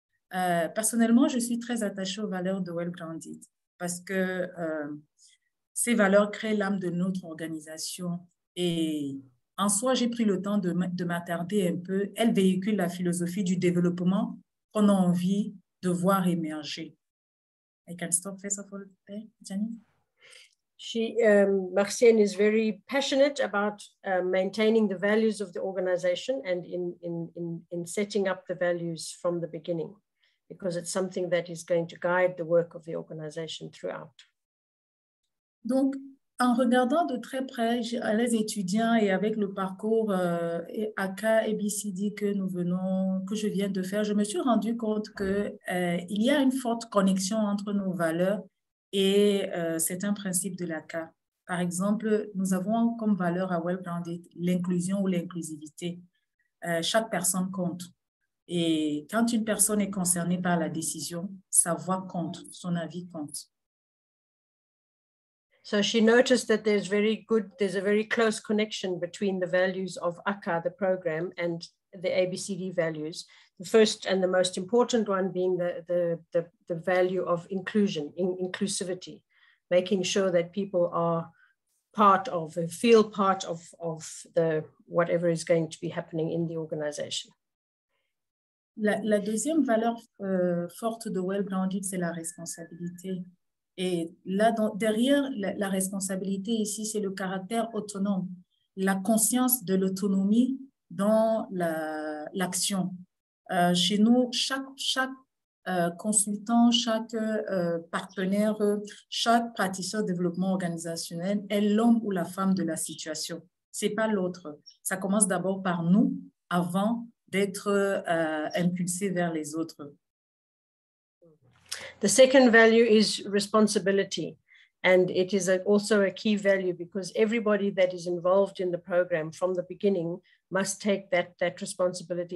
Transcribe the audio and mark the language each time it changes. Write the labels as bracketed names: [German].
[French] Personnellement, je suis très attachée aux valeurs de Well-Grounded parce que ces valeurs créent l'âme de notre organisation. Et en soi, j'ai pris le temps de m'attarder un peu. Elles véhiculent la philosophie du développement qu'on a envie de voir émerger. [English] I can stop first of all, Janine. Marcienne is very passionate about maintaining the values of the organization and in setting up the values from the beginning, because it's something that is going to guide the work of the organization throughout. [French] Donc, en regardant de très près les étudiants et avec le parcours ACA et BCD que je viens de faire, je me suis rendu compte qu'il y a une forte connexion entre nos valeurs et certains principes de l'ACA. Par exemple, nous avons comme valeur à Well-Grounded l'inclusion ou l'inclusivité. Chaque personne compte. Et quand une personne est concernée par la décision, sa voix compte, son avis compte. [English] So she noticed that there's a very close connection between the values of ACA, the program, and the ABCD values. The first and the most important one being the value of inclusion, inclusivity, making sure that people are feel part of the whatever is going to be happening in the organization. [French] La deuxième valeur forte de Well-Grounded, c'est la responsabilité. Et là, derrière la responsabilité ici, c'est le caractère autonome, la conscience de l'autonomie dans l'action. Chez nous, chaque consultant, chaque partenaire, chaque praticien de développement organisationnel est l'homme ou la femme de la situation. Ce n'est pas l'autre. Ça commence d'abord par nous avant d'être impulsé vers les autres. [English] The second value is responsibility, and it is also a key value because everybody that is involved in the program from the beginning must take that responsibility.